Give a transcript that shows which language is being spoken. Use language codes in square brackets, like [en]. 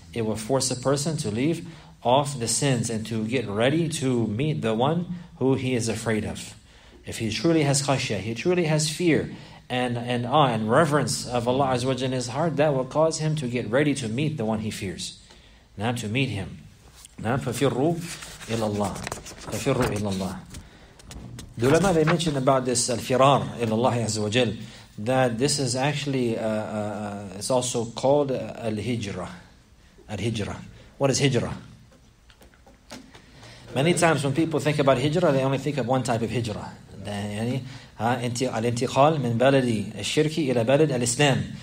[en] It will force a person to leave off the sins and to get ready to meet the one who he is afraid of. If he truly has khashya, he truly has fear and awe and reverence of Allah Azza wa Jalla in his heart, that will cause him to get ready to meet the one he fears. Now to meet him. [ar] Now فَفِرُّوا إِلَى اللَّهِ فَفِرُّوا إِلَى اللَّهِ. [en] The ulama, they mentioned about this al-firar إِلَى اللَّهِ Azza wa Jalla, that this is actually, it's also called al-hijrah. Al-hijrah. What is hijrah? Many times when people think about hijrah, they only think of one type of hijrah. [ar] Al-intiqal min baladi al-shirki ila balad al-islam.